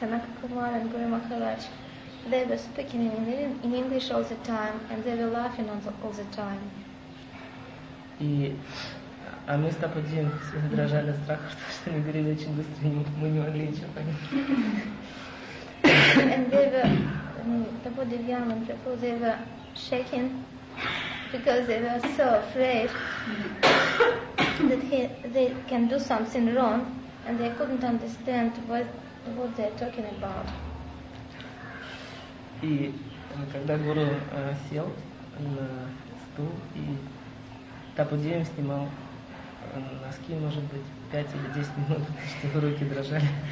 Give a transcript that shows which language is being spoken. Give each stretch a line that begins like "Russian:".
English: Санака Кумар и Гуру Махарадж, they were speaking in English all the time, and they were laughing all the time.
Russian: И а мы с Тападзин дрожали от страха, потому что они говорили очень быстро, и мы не могли ничего понять.
English: And they were, Тападзин and Прабху, they were shaking. Because they were so afraid that they can do something wrong, and they couldn't understand what they're talking about.
Russian: И когда Гуру сел на стул и Тапудзием снимал носки, может быть, 5 или 10 минут, потому что его руки дрожали.